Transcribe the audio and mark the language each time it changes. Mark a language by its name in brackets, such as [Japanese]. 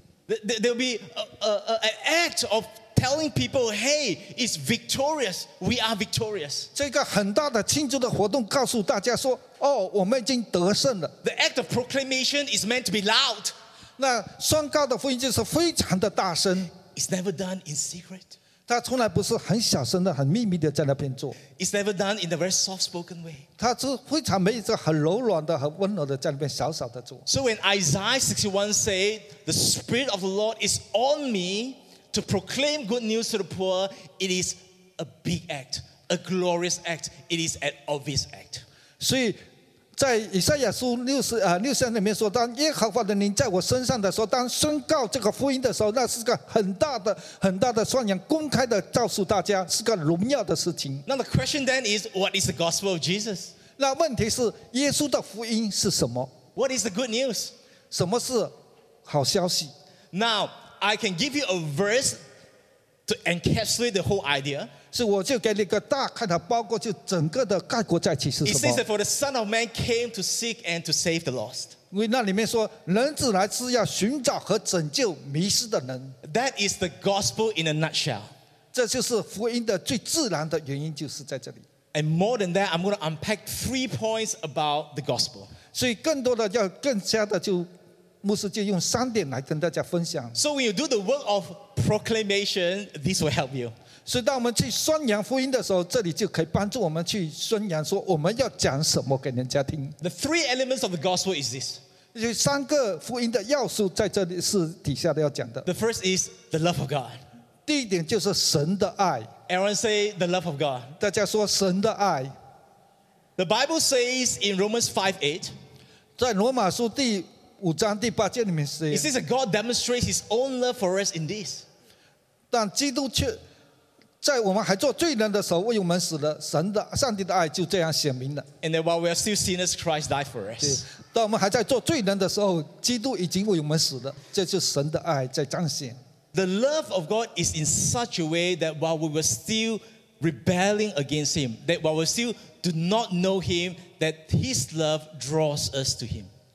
[English] ，there'll be an act of telling people, hey, it's victorious. We are victorious. [Chinese] 这个很大的庆祝的活动告诉大家说，哦，我们已经得胜了。 [English] The act of proclamation is meant to be loud. [Chinese] 那宣告的福音就是非常的大声。 [English] It's never done in secret. [Chinese] 他从来不是很小声的、很秘密的在那边做。 [English] It's never done in a very soft-spoken way. [Chinese] 他是非常没有这很柔软的、很温柔的在那边小小的做。 [English] So when Isaiah 61 said, "The Spirit of the Lord is on me." To proclaim good news to the poor, it is a big act, a glorious act. It is an obvious act. [Chinese] 所以在以赛亚书63里面说，当耶和华的灵在我身上的时候，当宣告这个福音的时候，那是个很大的、很大的宣扬，公开的告诉大家，是个荣耀的事情。 [English] Now the question then is, what is the gospel of Jesus? [Chinese] 那问题是，耶稣的福音是什么 [English] ？What is the good news? [Chinese] 什么是好消息 [English] ？Now. I can give you a verse to encapsulate the whole idea. [Chinese] 是我就给你个大概的包括，就整个的概括在一起是什么 [English] ？It says that for the Son of Man came to seek and to save the lost. [Chinese] 因为那里面说，人子来是要寻找和拯救迷失的人。 [English] That is the gospel in a nutshell. [Chinese] 这就是福音的最自然的原因，就是在这里。 [English] And more than that, I'm going to unpack 3 points about the gospel. [Chinese] 所以更多的要更加的就。牧师就用三点来跟大家分享。 [English] So when you do the work of proclamation, this will help you. [Chinese] 所以当我们去宣扬福音的时候，这里就可以帮助我们去宣扬说我们要讲什么给人家听。 [English] The 3 elements of the gospel is this. [Chinese] 有三个福音的要素在这里是底下的要讲的。 [English] The first is the love of God. [Chinese] 第一点就是神的爱。 [English] Aaron say the love of God. [Chinese] 大家说神的爱。 [English] The Bible says in Romans 5:8. [Chinese] 在罗马书第五章第八节里面说 [English] ，It says that God demonstrates His own love for us in this. [Chinese] 但基督却在我们还做罪人的时候为我们死了，神的上帝的爱就这样显明了。 [English] And then while we are still sinners, Christ died for us. [Chinese] 当我们还在做罪人的时候，基督已经为我们死了，这就是神的爱在彰显。 [English] The love of God is in such a way that while we were still rebelling against him, that while we still do not know him, that his love draws us to him.